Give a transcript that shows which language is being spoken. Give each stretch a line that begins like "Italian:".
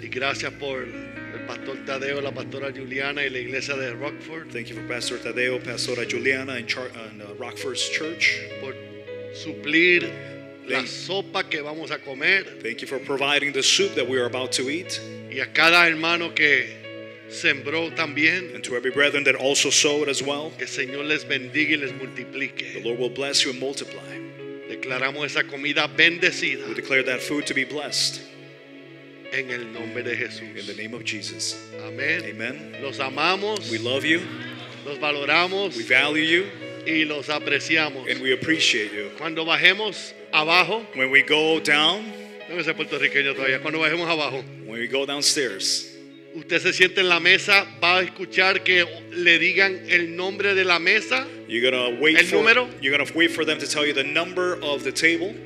Spanish: Y gracias por el pastor Tadeo, la pastora Juliana y la iglesia de Rockford.
English: Thank you for Pastor Tadeo, Pastora Juliana, and Rockford's church.
Spanish: Por suplir la sopa que vamos a comer.
English: Thank you for providing the soup that we are about to eat.
Spanish: Y a cada hermano que sembró también.
English: And to every brethren that also sowed as well.
Spanish: Que el Señor les bendiga y les multiplique.
English: The Lord will bless you and multiply.
Spanish: Declaramos esa comida bendecida.
English: We declare that food to be blessed.
Spanish: En el nombre de Jesús.
English: In the name of Jesus.
Spanish: Amén.
English: Amen.
Spanish: Los amamos.
English: We love you.
Spanish: Los valoramos.
English: We value you.
Spanish: Y los apreciamos.
English: And we appreciate you.
Spanish: Cuando bajemos abajo.
English: When we go down.
Spanish: No sé puertorriqueño todavía. Cuando bajemos abajo.
English: When we go downstairs.
Spanish: Usted se siente en la mesa, va a escuchar que le digan el nombre de la mesa, el número.
English: You're going to wait for them to tell you the number of the table.